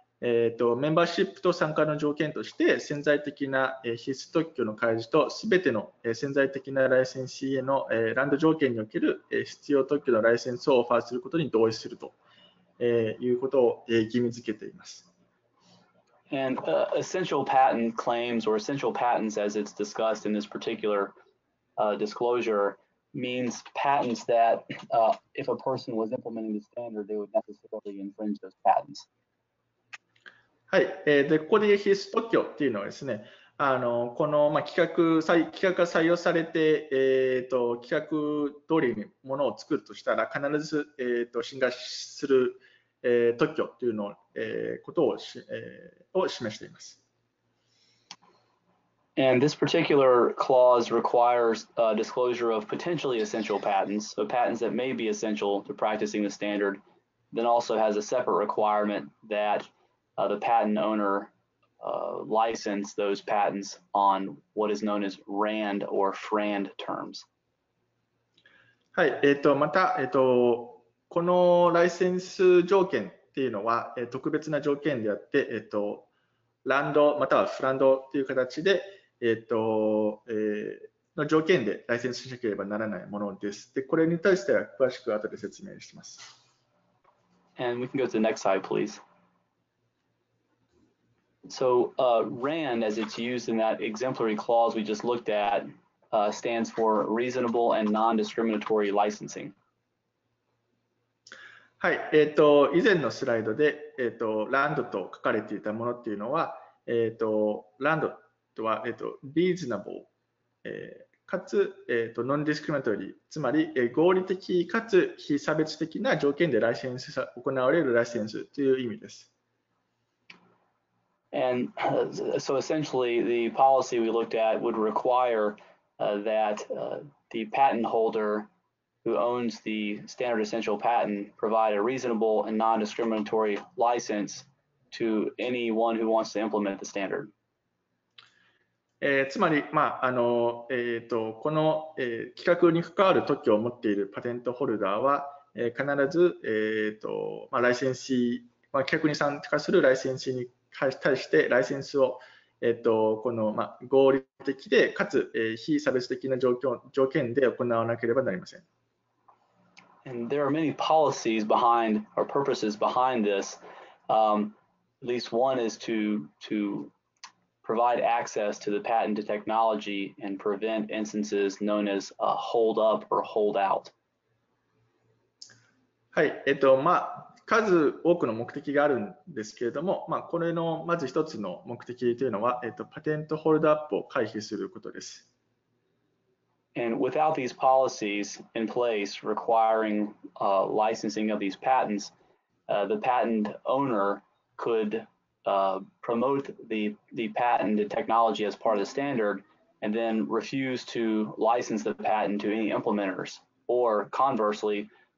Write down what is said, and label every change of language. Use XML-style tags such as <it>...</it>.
<ja>メンバーシップと参加の条件として潜在的な必須特許の開示とすべての潜在的なライセンシーへのランド条件における必要特許のライセンスをオファーすることに同意するということを義務付けています。</ja> <en>And essential patent claims or essential patents as it's discussed in this particular disclosure means patents that if a person was implementing the standard they would necessarily infringe those patents.</en> <ja>はい、でここで必須特許っていうのはですね、この、まあ、企画が採用されて、企画通りにものを作るとしたら必ず、侵害する、特許っていうのを、ことを、を示しています。</ja> <en>And this particular clause requires disclosure of potentially essential patents, so patents that may be essential to practicing the standard, then also has a separate requirement thatthe patent owner license those patents on what is known as RAND or FRAND terms.</en> <ja>はい、また、このライセンス条件っていうのは、特別な条件であって、ランドまたはフランドという形で、の条件でライセンスしなければならないものです。で、これに対しては詳しく後で説明します。</ja> <en>And we can go to the next slide, please. So RAND, as it's used in that exemplary clause we just looked at, stands for Reasonable and Non-Discriminatory Licensing.</en> <ja>はい、以前のスライドで、RAND と書かれていたものっていうのは、RAND とは、Reasonable、かつ、Non-Discriminatory、つまり、合理的かつ非差別的な条件でライセンス行われるライセンスという意味です。</ja> <en>And so essentially, the policy we looked at would require that the patent holder who owns the standard essential patent provide a reasonable and non-discriminatory license to anyone who wants to implement the standard.</en> <ja>つまり、まあこの規格に関わる特許を持っているパテントホルダーは、必ず、まあ、ライセンシー、まあ、規格に参加するライセンシーに対してライセンスを、この、まあ、合理的でかつ、非差別的な条件で行わなければなりません。</ja> <en>And there are many policies behind or purposes behind this. At least one is to provide access to the patent technology and prevent instances known as a hold up or hold out.</en> <ja>はい、まあ数多くの目的があるんですけれども、まあ、これのまず一つの目的というのは、パテントホルダーアップを回避することです。</ja> <en>And without these policies in place requiring licensing of these patents, the patent owner could promote the patent technology as part of the standard and then refuse to license the patent to any implementers, or conversely,</en>